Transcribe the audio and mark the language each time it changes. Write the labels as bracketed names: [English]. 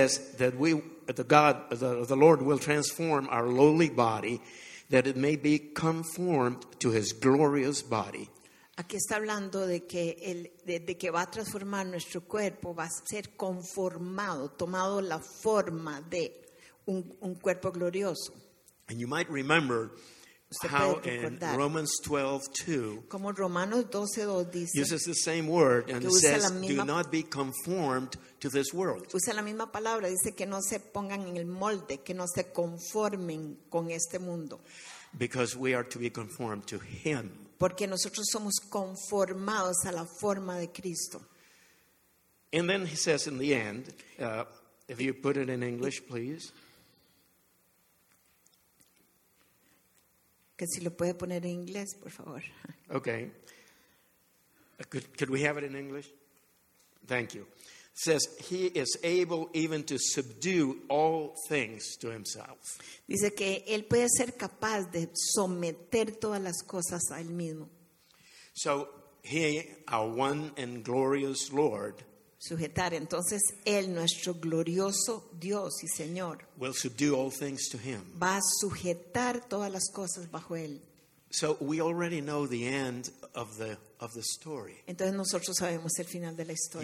[English] says that we, the God, the Lord will transform our lowly body, that it may be conformed to His glorious body. [Spanish] Aquí está hablando de que el de que va a transformar nuestro cuerpo, va a ser conformado, tomado la forma de un cuerpo glorioso. [English] And you might remember. How in Romans 12:2, [Spanish] como Romanos 12:2 dice, [English] uses the same word and says, "Do not be conformed to this world." [Spanish] Usa la misma palabra, dice que no se pongan en el molde, que no se conformen con este mundo. [English] Because we are to be conformed to Him. [Spanish] Porque nosotros somos conformados a la forma de Cristo. [English] And then he says, in the end, if you put it in English, please. [Spanish] Que si lo puede poner en inglés, por favor. [English] Okay. Could we have it in English? Thank you. It says he is able even to subdue all things to himself. [Spanish] Dice que él puede ser capaz de someter todas las cosas a él mismo. [English] So he, our one and glorious Lord, [Spanish] sujetar. Entonces él, nuestro glorioso Dios y Señor, [English] will subdue all things to him. [Spanish] Va a sujetar todas las cosas bajo él. [English] So we already know the end of the story. [Spanish] Entonces nosotros sabemos el final de la historia.